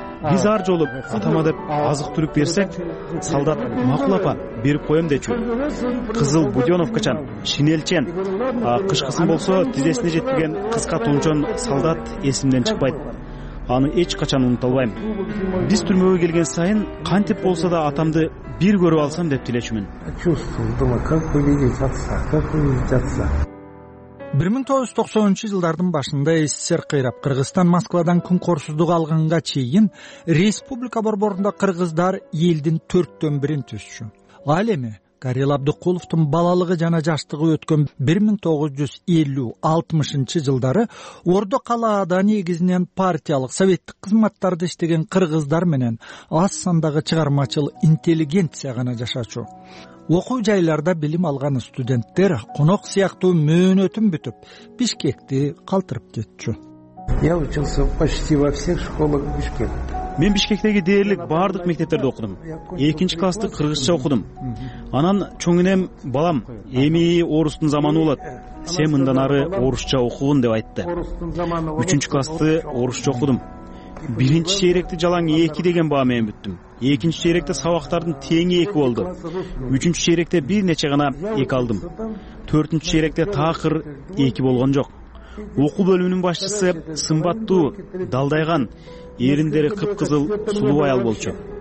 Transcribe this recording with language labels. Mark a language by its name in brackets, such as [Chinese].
[Kyrgyz] Биз ар жолу атама деп азык түлүк берсек, солдат макул апа берип коем дечү. Кызыл буденовкачан, шинелчен, а кышкысын болсо тизесине жетпеген кыска тунчон солдат эсимден чыкпайт. Аны эч качан унута албайм. Биз түрмөгө келген сайын кантип болсо да атамды бир көрүп алсам деп тилечүмүн. [Russian] Чувствовал, как увидеть отца. [Kyrgyz] 1990-жылдардын башында СССР кыйрап, Кыргызстан Москвадан күн корсуздук алганга чейин республика борборунда кыргыздар элдин 1/4 түзчү. Ал эми Карел Абдыкуловдун балалыгы жана жаштыгы өткөн 1950-60 Ордо калаада негизинен партиялык советтик кызматтарда иштеген кыргыздар менен аз сандагы чыгармачыл интеллигенция гана жашачу. Окуу жайларда билим алган студенттер конок сыяктуу мөөнөтүн бүтүп Бишкекти калтырып кетчү. [Russian] Я учился почти во всех школах Бишкека. [Kyrgyz] Мен Бишкектеги дээрлик бардык мектептерде окудум. 2-нчи классты кыргызча окудум. Анан чоң энем, балам, эми орустун заманы болот. Сен мындан ары орусча окугун деп айтты. 3-нчи классты орусча окудум. 1-нчи чейректи жалаң 2 деген баа менен бүттүм. 2-нчи чейректе сабактардын теңи 2 болду. 3-нчи чейректе бир нече гана 2 алдым. 4-нчи чейректе такыр 2 болгон жок. Окуу бөлүмүнүн башчысы сымбаттуу, далдайган, эриндери кып-кызыл сулуу аял болчу.